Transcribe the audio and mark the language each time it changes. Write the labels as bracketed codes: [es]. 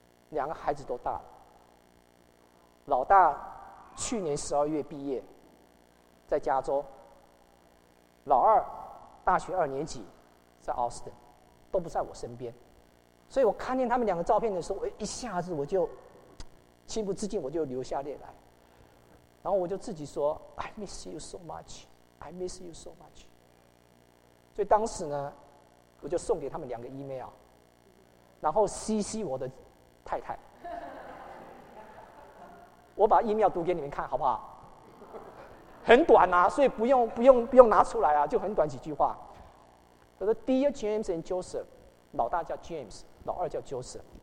[zh] 两个孩子都大了。老大去年十二月毕业，在加州。老二大学二年级，在 Austin, 都不在我身边。所以我看见他们两个照片的时候，我一下子我就情不自禁，我就流下泪来。然后我就自己说 [en] I miss you so much, [zh] I miss you so much。所以当时呢，我就送给他们两个 email， 然后 CC 我的太太。我把 email 读给你们看好不好？很短啊，所以不用拿出来啊，就很短几句话。他说 Dear James and Joseph， 老大叫 James， 老二叫 Joseph。